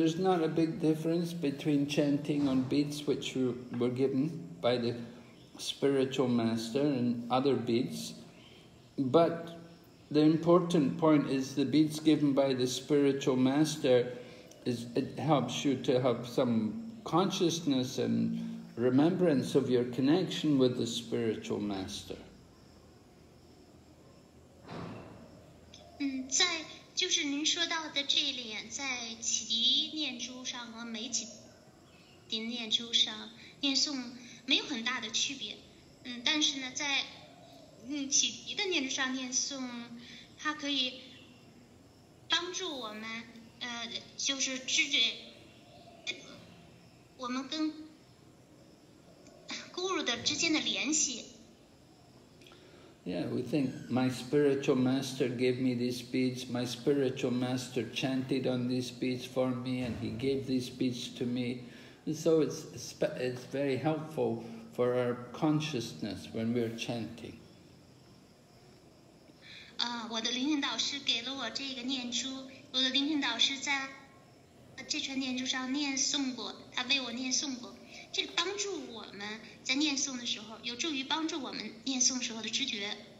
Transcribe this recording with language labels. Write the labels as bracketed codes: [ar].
[en] There's not a big difference between chanting on beats which were given by the spiritual master and other beats, but the important point is the beats given by the spiritual master is it helps you to have some consciousness and remembrance of your connection with the spiritual master. [zh] 在就是您说到的这一点，在启迪念珠上和没启迪念珠上念诵没有很大的区别。但是呢，在启迪的念珠上念诵，它可以帮助我们，就是知觉，我们跟Guru的之间的联系。 [en] Yeah, we think my spiritual master gave me these beads. My spiritual master chanted on these beads for me, and he gave these beads to me. And so it's very helpful for our consciousness when we're chanting. [zh] 我的灵性导师给了我这个念珠。我的灵性导师在这串念珠上念诵过，他为我念诵过。这个帮助我们在念诵的时候，有助于帮助我们念诵时候的知觉。